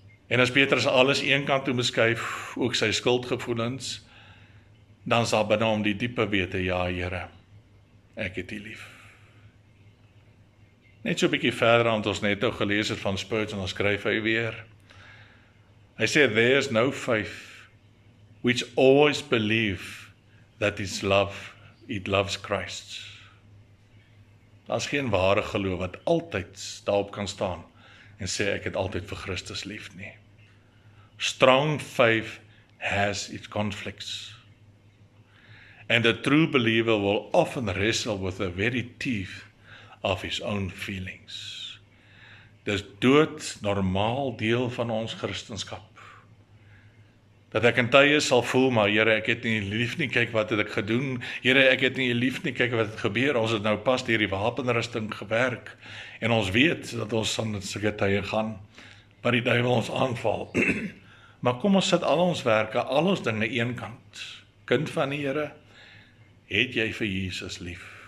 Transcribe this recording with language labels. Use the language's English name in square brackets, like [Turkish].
[Afrikaans] En as Petrus alles een kant toe beskuif, ook sy skuldgevoelens, dan sal binne hom die diepe wete, ja Here, ek het u lief. Net so 'n bietjie verder, want ons net nou gelees het van Spurgeon, en dan skryf hy weer. Hy sê, [English] there is no faith which always believe that its love, it loves Christ. [Afrikaans] Daar is geen ware geloof wat altyd daarop kan staan en sê ek het altyd vir Christus lief nie. [English] Strong faith has its conflicts. And a true believer will often wrestle with the very teeth of his own feelings. [Afrikaans] Dis dood normaal deel van ons Christenskap. Dat ek in tye sal voel, maar Here, ek het nie lief nie, kyk wat het ek gedoen. Here, ek het nie lief nie, kyk wat het gebeur. Ons het nou pas hierdie wapenrusting gewerk. En ons weet dat ons aan sulke tye gaan, waar die duivel ons aanval. Maar kom ons sit al ons werke, al ons dinge een kant. Kind van die Here, het jy vir Jesus lief?